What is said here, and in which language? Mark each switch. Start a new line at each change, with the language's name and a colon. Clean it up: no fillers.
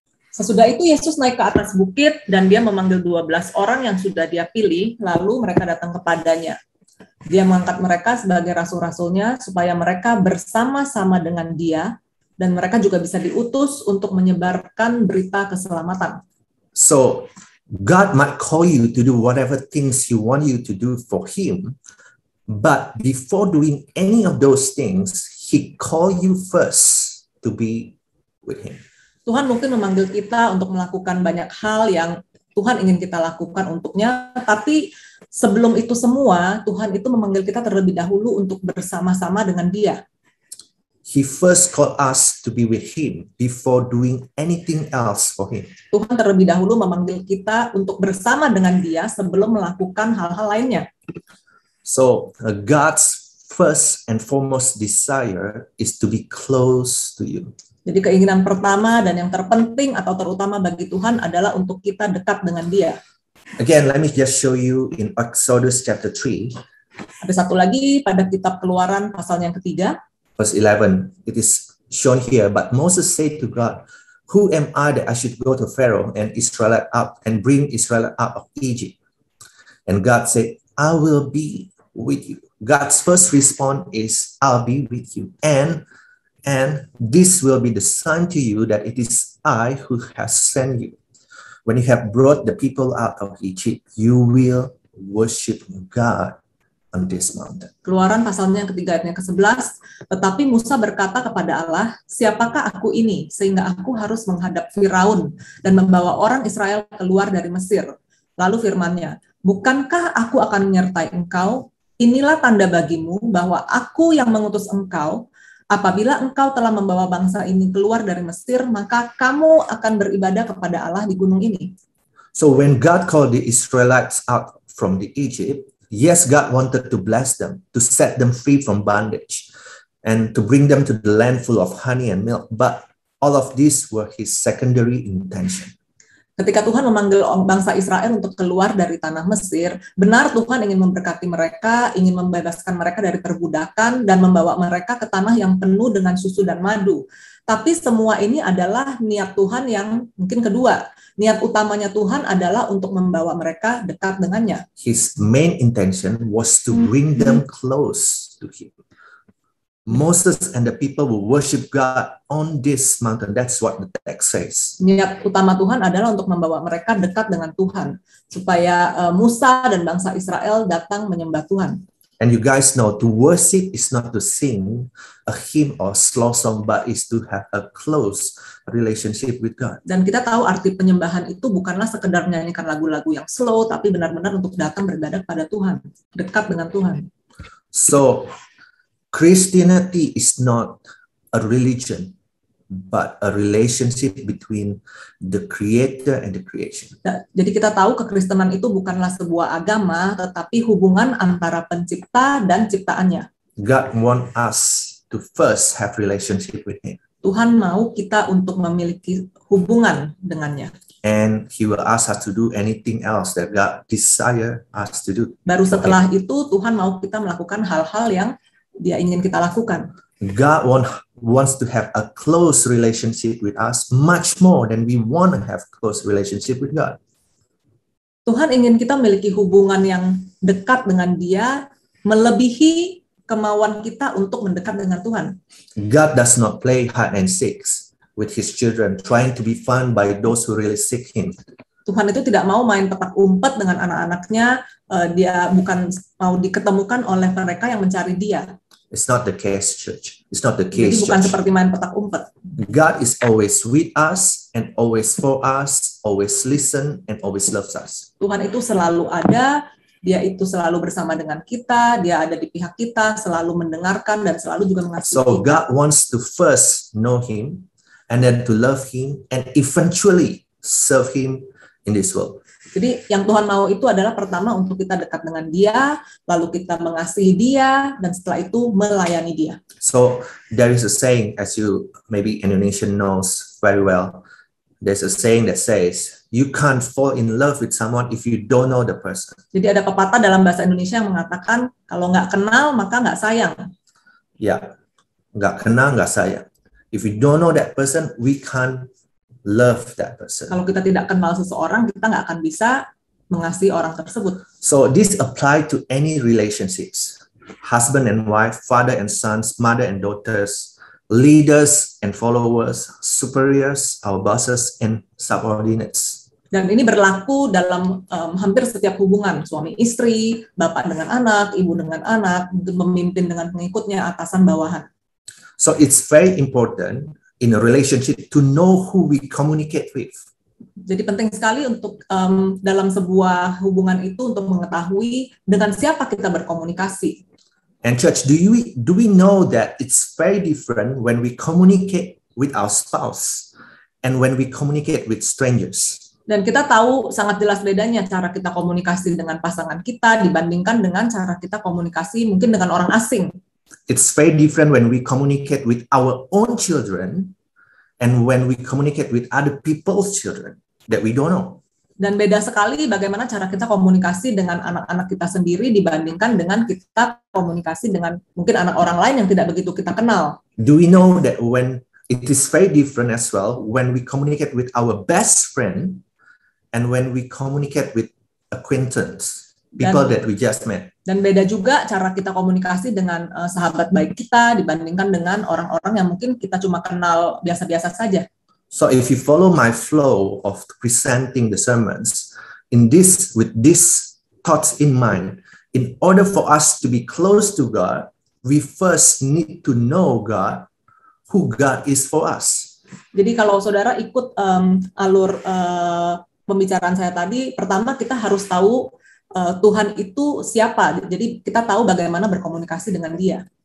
Indonesian: Sesudah itu Yesus naik ke atas bukit dan dia memanggil 12 orang yang sudah dia pilih, lalu mereka datang kepadanya. Dia mengangkat mereka sebagai rasul-rasulnya supaya mereka bersama-sama dengan dia dan mereka juga bisa diutus untuk menyebarkan berita keselamatan.
English: So, God might call you to do whatever things he want you to do for him, but before doing any of those things, he call you first to be with him.
Indonesian: Tuhan mungkin memanggil kita untuk melakukan banyak hal yang Tuhan ingin kita lakukan untuknya, tapi sebelum itu semua, Tuhan itu memanggil kita terlebih dahulu untuk bersama-sama dengan Dia.
English: He first called us to be with Him before doing anything else for Him.
Indonesian: Tuhan terlebih dahulu memanggil kita untuk bersama dengan Dia sebelum melakukan hal-hal lainnya.
English: So, God's first and foremost desire is to be close to you.
Indonesian: Jadi keinginan pertama dan yang terpenting atau terutama bagi Tuhan adalah untuk kita dekat dengan Dia.
English: Again, let me just show you in Exodus chapter 3.
Indonesian: Ada satu lagi pada kitab Keluaran pasal yang ketiga.
English: Verse 11, it is shown here, but Moses said to God, who am I that I should go to Pharaoh and Israelite up and bring Israelite out of Egypt? And God said, I will be with you. God's first response is, I'll be with you. And this will be the sign to you that it is I who has sent you. When you have brought the people out of Egypt, you will worship God on this mountain.
Indonesian: Keluaran pasalnya yang ketiga ayatnya ke-11, tetapi Musa berkata kepada Allah, siapakah aku ini sehingga aku harus menghadap Firaun dan membawa orang Israel keluar dari Mesir? Lalu firman-Nya, bukankah aku akan menyertai engkau? Inilah tanda bagimu bahwa aku yang mengutus engkau. Apabila engkau telah membawa bangsa ini keluar dari Mesir, maka kamu akan beribadah kepada Allah di gunung ini.
English: So when God called the Israelites out from the Egypt, yes, God wanted to bless them, to set them free from bondage, and to bring them to the land full of honey and milk, but all of these were his secondary intention.
Indonesian: Ketika Tuhan memanggil bangsa Israel untuk keluar dari tanah Mesir, benar Tuhan ingin memberkati mereka, ingin membebaskan mereka dari perbudakan, dan membawa mereka ke tanah yang penuh dengan susu dan madu. Tapi semua ini adalah niat Tuhan yang mungkin kedua. Niat utamanya Tuhan adalah untuk membawa mereka dekat dengannya.
English: His main intention was to bring them close to him. Moses and the people will worship God on this mountain. That's what the text says.
Indonesian: Niat utama Tuhan adalah untuk membawa mereka dekat dengan Tuhan, supaya Musa dan bangsa Israel datang menyembah Tuhan.
English: And you guys know, to worship is not to sing a hymn or slow song, but is to have a close relationship with God.
Indonesian: Dan kita tahu arti penyembahan itu bukanlah sekedar menyanyikan lagu-lagu yang slow, tapi benar-benar untuk datang beribadah kepada Tuhan, dekat dengan Tuhan.
English: So, Christianity is not a religion, but a relationship between the creator and the creation.
Indonesian: Jadi kita tahu kekristenan itu bukanlah sebuah agama, tetapi hubungan antara pencipta dan ciptaannya.
English: God want us to first have relationship with him.
Indonesian: Tuhan mau kita untuk memiliki hubungan dengannya.
English: And he will ask us to do anything else that God desire us to do.
Indonesian: Baru setelah itu Tuhan mau kita melakukan hal-hal yang dia ingin kita lakukan.
English: God wants to have a close relationship with us much more than we want to have close relationship with God.
Indonesian: Tuhan ingin kita memiliki hubungan yang dekat dengan dia melebihi kemauan kita untuk mendekat dengan Tuhan.
English: God does not play hide and seek with his children, trying to be found by those who really seek him.
Indonesian: Tuhan itu tidak mau main petak umpet dengan anak-anaknya. Dia bukan mau diketemukan oleh mereka yang mencari dia.
English: It's not the case, church. It's not the case, church.
Indonesian: Jadi bukan seperti main petak umpet.
English: God is always with us and always for us, always listen and always loves us.
Indonesian: Tuhan itu selalu ada, dia itu selalu bersama dengan kita, dia ada di pihak kita, selalu mendengarkan dan selalu juga mengasihi.
English: So God wants to first know him and then to love him and eventually serve him in this world.
Indonesian: Jadi yang Tuhan mau itu adalah pertama untuk kita dekat dengan dia, lalu kita mengasihi dia, dan setelah itu melayani dia.
English: So there is a saying, as you maybe Indonesian knows very well, there's a saying that says, you can't fall in love with someone if you don't know the person.
Indonesian: Jadi ada pepatah dalam bahasa Indonesia yang mengatakan, kalau nggak kenal maka nggak sayang. Ya, nggak kenal nggak sayang.
English: If you don't know that person, we can't love that person.
Indonesian: Kalau kita tidak kenal seseorang, kita nggak akan bisa mengasihi orang tersebut.
English: So this apply to any relationships. Husband and wife, father and sons, mother and daughters, leaders and followers, superiors, our bosses and subordinates.
Indonesian: Dan ini berlaku dalam hampir setiap hubungan, suami istri, bapak dengan anak, ibu dengan anak, pemimpin dengan pengikutnya, atasan bawahan.
English: So it's very important in a relationship to know who we communicate with.
Indonesian: Jadi penting sekali untuk dalam sebuah hubungan itu untuk mengetahui dengan siapa kita berkomunikasi.
English: And church, do we know that it's very different when we communicate with our spouse and when we communicate with strangers?
Indonesian: Dan kita tahu sangat jelas bedanya cara kita komunikasi dengan pasangan kita dibandingkan dengan cara kita komunikasi mungkin dengan orang asing.
English: It's very different when we communicate with our own children and when we communicate with other people's children that we don't know.
Indonesian: Dan beda sekali bagaimana cara kita komunikasi dengan anak-anak kita sendiri dibandingkan dengan kita komunikasi dengan mungkin anak orang lain yang tidak begitu kita kenal.
English: Do we know that when it is very different as well when we communicate with our best friend and when we communicate with acquaintance, people that we just met.
Indonesian: Dan beda juga cara kita komunikasi dengan sahabat baik kita dibandingkan dengan orang-orang yang mungkin kita cuma kenal biasa-biasa saja.
English: So if you follow my flow of presenting the sermons in this with this thoughts in mind, In order for us to be close to God, we first need to know God, who God is for us.
Indonesian: Jadi kalau saudara ikut alur pembicaraan saya tadi, pertama kita harus tahu Tuhan itu siapa. Jadi kita tahu bagaimana berkomunikasi dengan Dia.